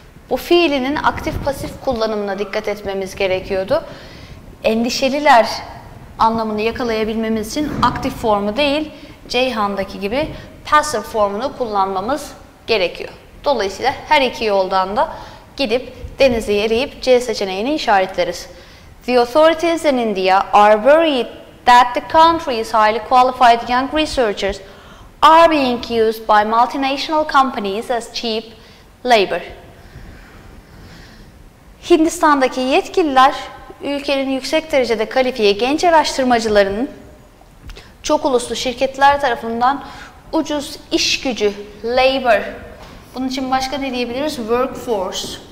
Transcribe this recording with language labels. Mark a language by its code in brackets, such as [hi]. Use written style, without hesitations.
[tr] Bu fiilinin aktif pasif kullanımına dikkat etmemiz gerekiyordu. Endişeliler anlamını yakalayabilmemiz için aktif formu değil, Ceyhan'daki gibi passive formunu kullanmamız gerekiyor. Dolayısıyla her iki yoldan da gidip Denizli'yi yerleyip C seçeneğini işaretleriz. [en] The authorities in India are worried that the country's highly qualified young researchers are being used by multinational companies as cheap labor. [tr] Hindistan'daki yetkililer, ülkenin yüksek derecede kalifiye genç araştırmacılarının çok uluslu şirketler tarafından ucuz iş gücü, labor, bunun için başka ne diyebiliriz? Workforce.